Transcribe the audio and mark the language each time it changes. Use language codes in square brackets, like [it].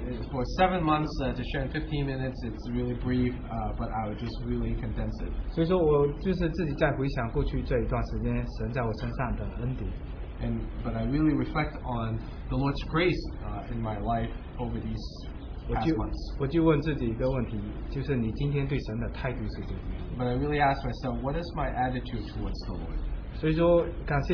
[en] For 7 months, to share 15 minutes, it's really brief, but I would just really condense it. [zh] 所以说我就是自己在回想过去这一段时间神在我身上的恩典。 [en] But I really reflect on the Lord's grace in my life over these past months. [zh] 我就问自己一个问题，就是你今天对神的态度是怎么样？ [en] But I really ask myself, what is my attitude towards the Lord?